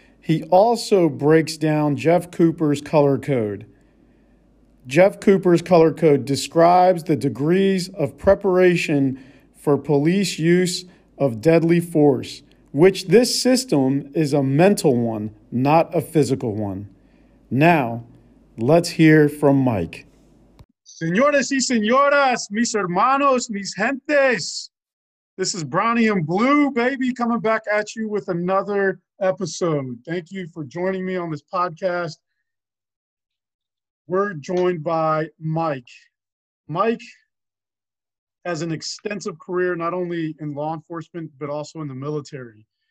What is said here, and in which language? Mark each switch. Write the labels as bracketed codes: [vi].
[en] He also breaks down Jeff Cooper's color code. Jeff Cooper's color code describes the degrees of preparation for police use of deadly force, which this system is a mental one, not a physical one. Now, let's hear from Mike. [es] Señores y señoras, mis hermanos, mis gentes. [en] This is Brownie and Blue, baby, coming back at you with another episode. Thank you for joining me on this podcast. We're joined by Mike. Mike has an extensive career, not only in law enforcement, but also in the military.